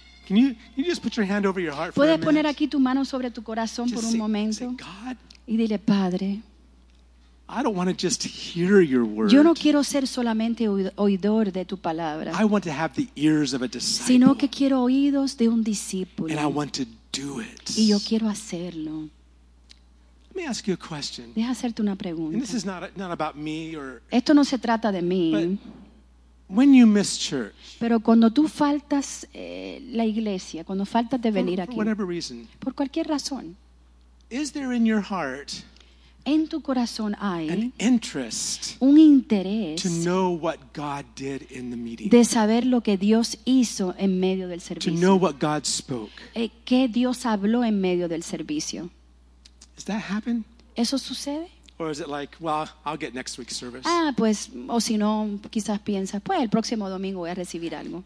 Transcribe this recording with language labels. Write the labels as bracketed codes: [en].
[en] Can you just put your hand over your heart for a minute? [es] Puedes poner aquí tu mano sobre tu corazón por un momento. [en] Say, God, [es] y dile, Padre, [en] I don't want to just hear your word. [es] Yo no quiero ser solamente oidor de tu palabra. [en] I want to have the ears of a disciple. [es] Sino que quiero oídos de un discípulo. [en] And I want to do it. [es] Y yo quiero hacerlo. [en] Let me ask you a question. [es] Deja hacerte una pregunta. [en] And this is not about me or. [es] Esto no se trata de mí. [en] When you miss church. [es] Pero cuando tú faltas la iglesia, cuando faltas de venir aquí. [en] For whatever reason. [es] Por cualquier razón. [en] Is there in your heart? [es] En tu corazón hay [en] an interest, [es] un interés, [en] to know what God did in the meeting, [es] de saber lo que Dios hizo en medio del servicio, [en] to know what God spoke, [es] qué Dios habló en medio del servicio. [en] Does that happen? [es] ¿Eso sucede? [en] Or is it like, well, I'll get next week's service? [es] Ah, pues, o si no, quizás piensas, pues el próximo domingo voy a recibir algo.